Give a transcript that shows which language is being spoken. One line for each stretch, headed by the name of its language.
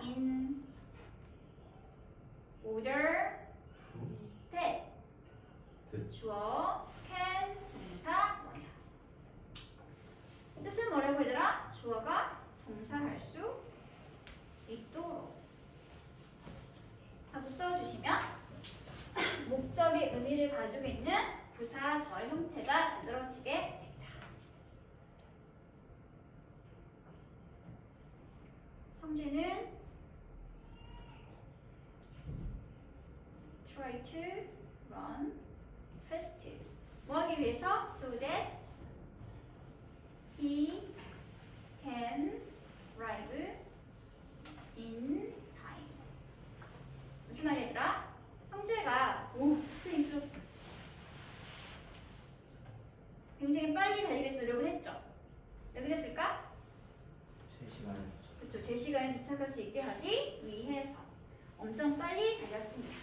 English: in order that
Korean: 주어 can 동사 원형 뜻은 뭐라고 해더라? 주어가 동사할 수 있도록 하고 써주시면 목적의 의미를 가지고 있는 부사절 형태가 만들어지게 됩니다. 성재는
English: try to run fast.
Korean: 뭐 하기 위해서?
English: So that he can arrive in time.
Korean: 무슨 말이더라? 성재가 오, 스크린 틀렸어. 굉장히 빨리 달리기 위해서 노력을 했죠. 왜 그랬을까? 제 시간에 도착. 그렇죠. 제 시간에 도착할 수 있게 하기 위해서 엄청 빨리 달렸습니다.